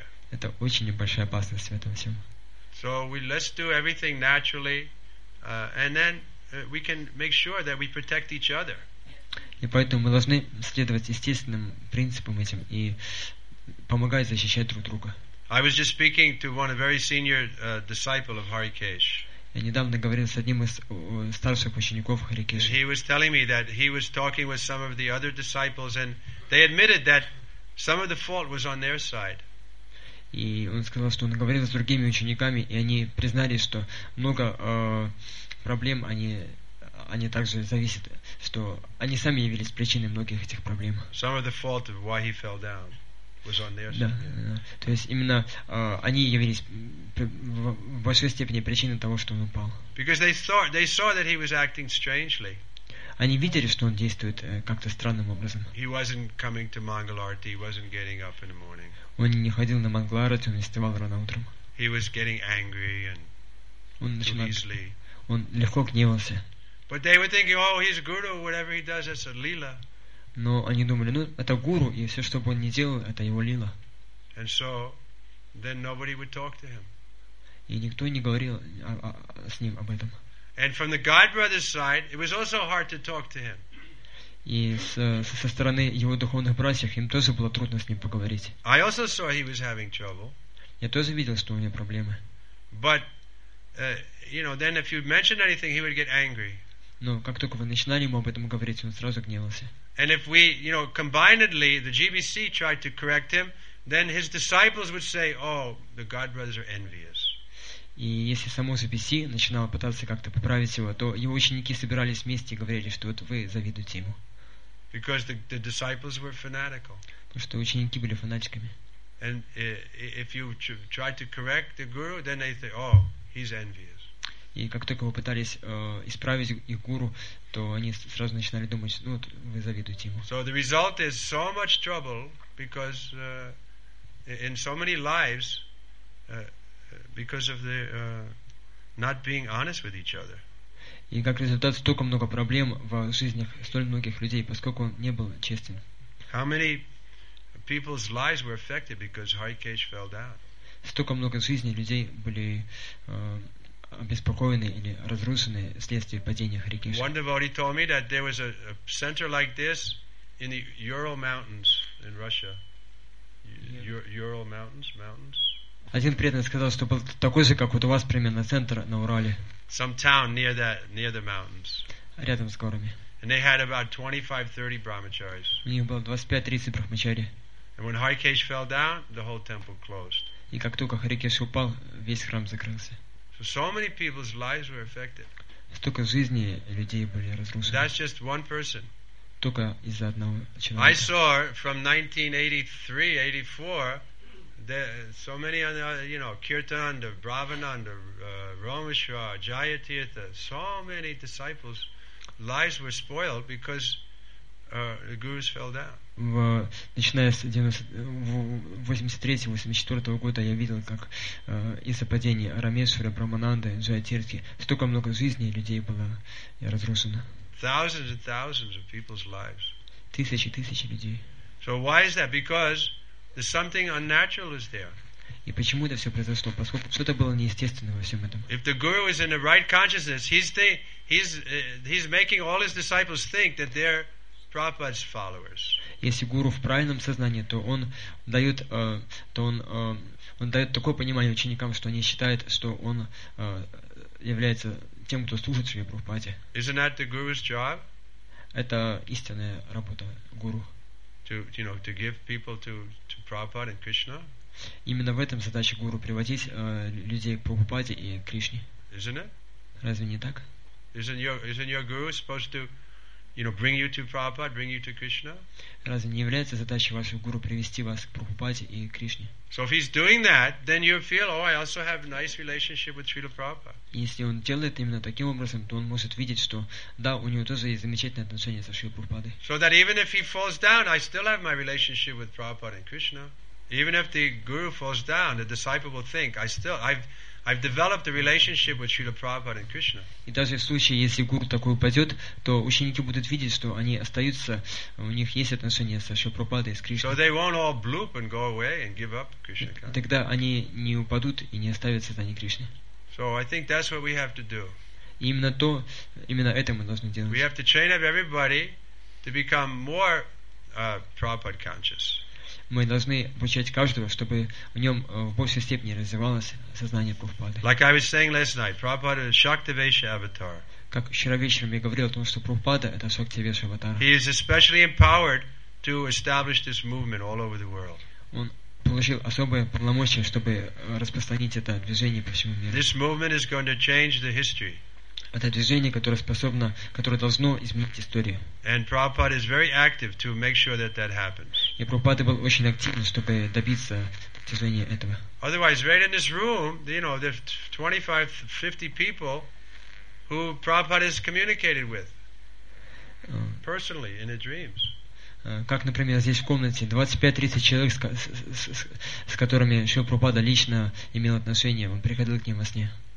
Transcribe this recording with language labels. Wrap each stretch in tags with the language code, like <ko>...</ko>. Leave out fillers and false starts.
<ru>Это очень большая опасность в этом всем.</ru> <en>Let's do everything naturally, and then we can make sure that we protect each other.</en> <ru>И поэтому мы должны следовать естественным принципам этим и помогать защищать друг друга.</ru> <en>I was just speaking to one, a very senior disciple of Hari Kesh.</en> <ru>Я недавно говорил с одним из старших учеников Hari Kesh.</ru> <en>He was telling me that he was talking with some of the other disciples, and they admitted that some of the fault was on their side.</en> <ru>И он сказал, что он говорил с другими учениками, и они признали, что много проблем они также зависят, что они сами явились причиной многих этих проблем.</ru> <en>Some of the fault of why he fell down.</en> <ru>Да, то есть именно они явились в большой степени причиной того, что он упал.</ru> <en>Because they saw that he was acting strangely.</en> <ru>Они видели, что он действует как-то странным образом.</ru> <en>He wasn't coming to Mangalarti. He wasn't getting up in the morning.</en> <ru>Он не ходил на Мангаларти, он не вставал рано утром.</ru> <en>He was getting angry and easily.</en> <ru>Он легко гневался.</ru> <en>But they were thinking, oh, he's guru, whatever he does, it's a lila.</en> <ru>Но они думали, ну, это гуру, и все, что бы он ни делал, это его лила.</ru> <en>And so, then nobody would talk to him.</en> <ru>И никто не говорил с ним об этом.</ru> <en>And from the God brother's side, it was also hard to talk to him.</en> <ru>И со стороны его духовных братьев, им тоже было трудно с ним поговорить.</ru> <en>I also saw he was having trouble.</en> <ru>Я тоже видел, что у него проблемы.</ru> <en>But, you know, then if you mentioned anything, he would get angry.</en> <ru>Но как только вы начинали ему об этом говорить, он сразу гневался.</ru> <en>And if we, you know, combinedly, the GBC tried to correct him, then his disciples would say, oh, the God brothers are envious.</en> <ru>И если само GBC начинало пытаться как-то поправить его, то его ученики собирались вместе и говорили, что вот вы завидуете ему.</ru> <en>Because the disciples were fanatical.</en> <ru>Потому что ученики были фанатиками.</ru> <en>And if you tried to correct the guru, then they say, oh, he's envious.</en> <ru>И как только вы пытались исправить их гуру, то они сразу начинали думать, ну вот вы завидуете ему.</ru> <en>So the result is so much trouble because in so many lives because of the not being honest with each other.</en> <ru>И как результат столько много проблем в жизнях столь многих людей, поскольку он не был честен.</ru> <en>How many people's lives were affected because Hari Kesh fell down?</en> <ru>Столько много жизней людей были обеспокоенные или разрушенные вследствие падения Hari Kesh.</ru> <en>One devotee told me that there was a center like this in the Ural Mountains in Russia. Ural Mountains.</en> <ru>Один преданный сказал, что был такой же, как вот у вас примерно центр на Урале.</ru> <en>Some town near the mountains.</en> <ru>Рядом с горами.</ru> <en>And they had about 25-30 brahmacharis.</en> <ru>У них было 25-30 брахмачари.</ru> <en>And when Hari Kesh fell down, the whole temple closed.</en> <ru>И как только Hari Kesh упал, весь храм закрылся.</ru> <en>So many people's lives were affected.</en> <ru>Столько жизней людей были разрушены.</ru> <en>That's just one person.</en> <ru>Только из-за одного человека.</ru> <en>I saw from 1983-84 so many you know, Kirtananda, Bhavananda, Romeshwar, Jayatirtha, so many disciples' lives were spoiled because the gurus fell down.</en> <ru>В, начиная с 83-84 года я видел, как из-за падения Рамешвара, Брамананды, Джаятирти столько много жизней людей было разрушено.</ru> <en>Thousands and thousands of people's lives.</en> <ru>Тысячи и тысячи людей.</ru> <en>So why is that? Because there's something unnatural is there.</en> <ru>И почему это все произошло? Поскольку что-то было неестественное во всем этом.</ru> <en>If the guru is in the right consciousness, he's making all his disciples think that they're Prabhupada's followers.</en> <ru>Если гуру в правильном сознании, то он дает, он дает такое понимание ученикам, что они считают, что он является тем, кто служит Шри Прабхупаде.</ru> <en>Isn't that the guru's job?</en> <ru>Это истинная работа гуру.</ru> <en>To give people to Prabhupada and Krishna.</en> <ru>Именно в этом задача гуру приводить людей к Прабхупаде и Кришне.</ru> <en>Isn't it?</en> <ru>Разве не так?</ru> <en>Isn't your guru supposed to bring you to Prabhupada, bring you to Krishna?</en> <ru>Разве не является задачей вашего гуру привести вас к Прабхупаде и Кришне?</ru> <en>So if he's doing that, then you feel, oh, I also have a nice relationship with Srila Prabhupada.</en> <ru>Если он делает именно таким образом, то он может видеть, что да, у него тоже есть замечательные отношения со Шрилой Прабхупадой.</ru> <en>So that even if he falls down, I still have my relationship with Prabhupada and Krishna. Even if the guru falls down, the disciple will think, I've developed a relationship with Srila Prabhupada and Krishna.</en> <ru>И даже в случае, если гуру такой упадет, то ученики будут видеть, что они остаются, у них есть отношения со Шрила Прабхупадой и с Кришной.</ru> <en>So they won't all bloop and go away and give up Krishna.</en> <ru>Тогда они не упадут и не оставят сознание Кришны.</ru> <en>So I think that's what we have to do.</en> <ru>Именно то, именно это мы должны делать.</ru> <en>We have to train up everybody to become more Prabhupada conscious.</en> <ru>Мы должны обучать каждого, чтобы в нем в большей степени развивалось сознание Прабхупады.</ru> <en>Like I was saying last night, Prabhupada is Shaktivesha avatar.</en> <ru>Как вчера вечером я говорил о том, что Прабхупада это Шактивеша аватар.</ru> <en>He is especially empowered to establish this movement all over the world.</en> <ru>Он получил особые полномочия, чтобы распространить это движение по всему миру.</ru> <en>This movement is going to change the history.</en> <ru>Это движение, которое способно, которое должно изменить историю.</ru> <en>And Prabhupada is very active to make sure that that happens.</en> <ru>И Прабхупада был очень активен, чтобы добиться достижения этого.</ru> <en>Otherwise, right in this room, there's 25-50 people who Prabhupada has communicated with personally in his dreams.</en> <ru>Как, например, здесь в комнате 25-30 человек, с которыми Шрила Прабхупада лично имел отношение, он приходил к ним во сне.</ru>